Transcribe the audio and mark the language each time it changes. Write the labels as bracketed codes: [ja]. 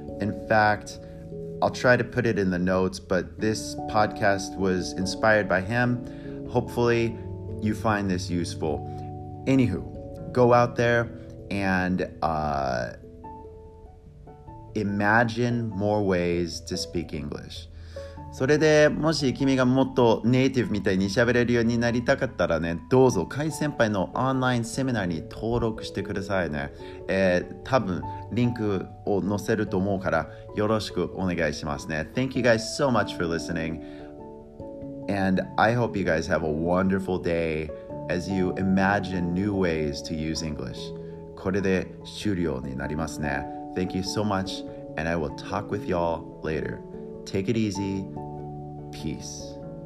[en] In fact, I'll try to put it in the notes, but this podcast was inspired by him. Hopefully you find this useful. Anywho, go out there and imagine more ways to speak English. [ja] それでもし君がもっとネイティブみたいに喋れるようになりたかったらね、どうぞ海先輩のオンラインセミナーに登録してくださいね。多分リンクを載せると思うからよろしくお願いしますね。 [en] Thank you guys so much for listening. And I hope you guys have a wonderful day as you imagine new ways to use English. [ja] これで終了になりますね。 [en] Thank you so much, and I will talk with y'all later. Take it easy. Peace.